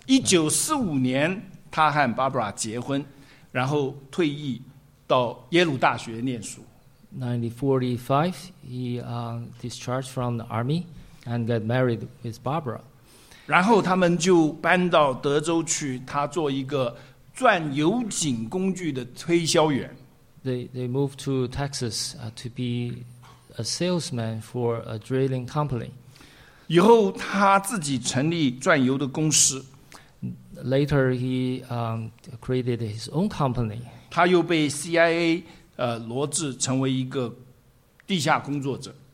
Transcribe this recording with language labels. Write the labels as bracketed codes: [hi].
[zh] 1945年他和 Barbara 结婚，然后退役到耶鲁大学念书。 [en] 1945, he discharged from the army and got married with Barbara. [zh] 然后他们就搬到德州去，他做一个钻油井工具的推销员。 [en] They moved to Texas to be a salesman for a drilling company. [zh] 以后他自己成立钻油的公司。 [en] Later he created his own company. [zh] 他又被 CIA 罗织成为一个地下工作者。